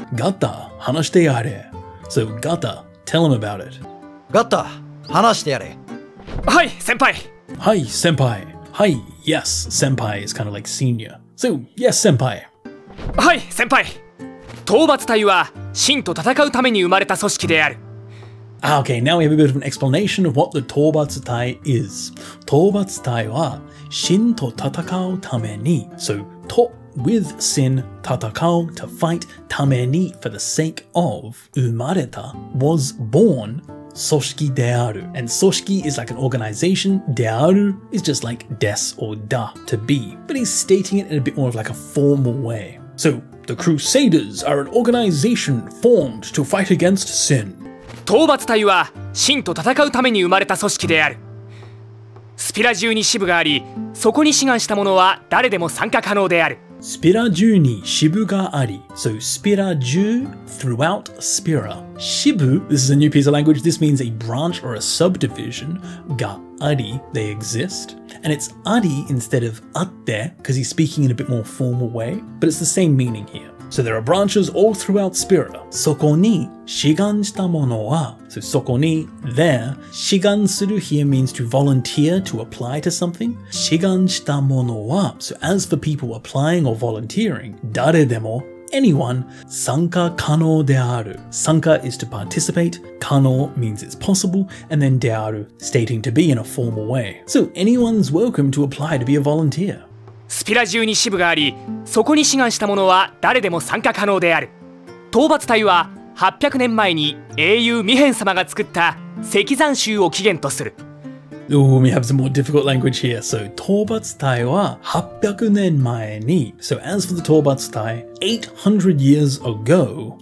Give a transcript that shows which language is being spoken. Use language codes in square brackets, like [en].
[ja] ガタ、話してやれ。 [en] So ガタ、tell him about it. [ja] ガタ、話してやれ。はい、先輩。 Hi, senpai. [en] Hi, yes, senpai is kind of like senior. So, yes, senpai. [ja] Hi, senpai. 討伐隊は神と戦うために生まれた組織である。 [en] Okay, now we have a bit of an explanation of what the 討伐隊 is. [ja] 討伐隊は神と戦うために。 [en] So, to, with sin, 戦う to fight, ために for the sake of, 生まれた was born, [ja] Soshiki dearu. [en] And soshiki is like an organization. Dearu is just like des or da, to be. But he's stating it in a bit more of like a formal way. So, the Crusaders are an organization formed to fight against sin. [ja] 討伐隊は神と戦うために生まれた組織である。スピラ中に支部があり、そこに志願した者は誰でも参加可能である。スピラ中に支部があり。 [en] So, スピラ中 throughout Spira. 支部 this is a new piece of language. This means a branch or a subdivision. があり they exist. And it's ari instead of あって because he's speaking in a bit more formal way. But it's the same meaning here. So, there are branches all throughout Spira. [ja] そこに志願したものは [en] So, そこに there. 志願する here means to volunteer, to apply to something. [ja] 志願したものは [en] So, as for people applying or volunteering, 誰でも anyone, [ja] 参加可能である。 [en] 参加 is to participate, 可能 means it's possible, and then である stating to be in a formal way. So anyone's welcome to apply to be a volunteer. [ja] スピラ中に支部があり、そこに志願した者は誰でも参加可能である。討伐隊は800年前に英雄ミヘン様が作った石山宗を起源とする。 [en] Oh, we have some more difficult language here. So, [ja] 討伐隊は800年前に [en] So, as for the 討伐隊 800 years ago,